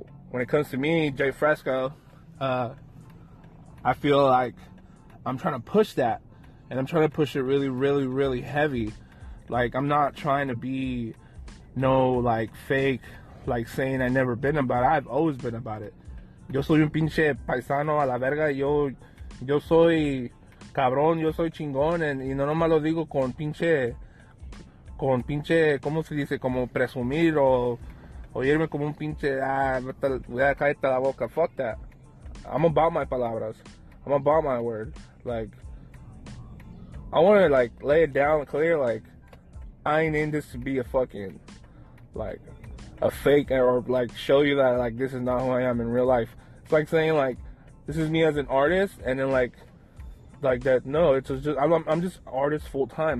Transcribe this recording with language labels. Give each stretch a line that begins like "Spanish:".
English: when it comes to me, Jay Fresco, I feel like I'm trying to push that, and I'm trying to push it really, really, really heavy. Like, I'm not trying to be no, like, fake, like, saying I never been about it. I've always been about it.
Spanish: Yo soy un pinche paisano a la verga. Yo soy cabrón, yo soy chingón, y no nomás lo digo con pinche, ¿cómo se dice? Como presumir o irme como un pinche, voy a caerte la boca.
English: Fuck that. I'm about my palabras. I'm about my word. Like, I want to, like, lay it down clear, like, I ain't in this to be a fucking, like, a fake, or, like, show you that, like, this is not who I am in real life. It's like saying, like, this is me as an artist, and then, like that, no, it's just, I'm just artist full time.